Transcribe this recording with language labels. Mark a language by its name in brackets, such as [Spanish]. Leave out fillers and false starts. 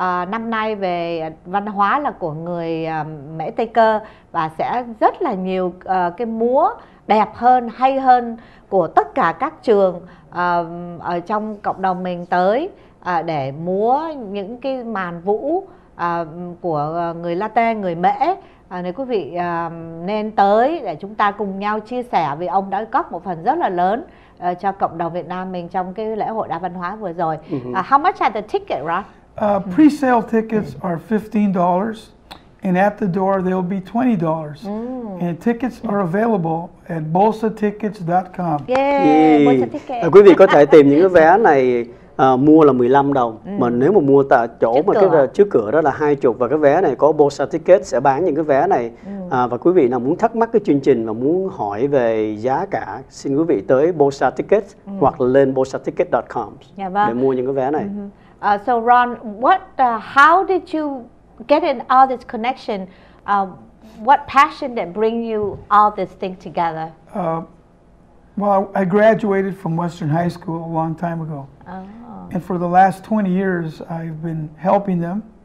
[Vietnamese] năm nay về văn hóa là của người Mễ Tây Cơ, và sẽ rất là nhiều cái múa đẹp hơn, hay hơn của tất cả các trường ở trong cộng đồng mình tới để múa những cái màn vũ của người Latê, người Mễ. Nếu quý vị nên tới để chúng ta cùng nhau chia sẻ, vì ông đã góp một phần rất là lớn cho cộng đồng Việt Nam mình trong cái lễ hội đa văn hóa vừa rồi. [English] How much are the tickets, Ron? Pre-sale tickets are $15, and at the door they'll be $20. And tickets are available at bolsatickets.com. Yeah. [Vietnamese] Quý vị có thể tìm những cái vé này mua là 15 đồng. Mà nếu mà mua tại chỗ trước cửa đó là 20, và cái vé này có Bolsa Ticket sẽ bán những cái vé này. Và quý vị nào muốn thắc mắc cái chương trình và muốn hỏi về giá cả, xin quý vị tới Bolsa Ticket hoặc lên bolsaticket.com để mua những cái vé này. [English] So Ron, how did you get in all this connection? What passion that bring you all this thing together? Well, I graduated from Western High School a long time ago. And for the last 20 years, I've been helping them.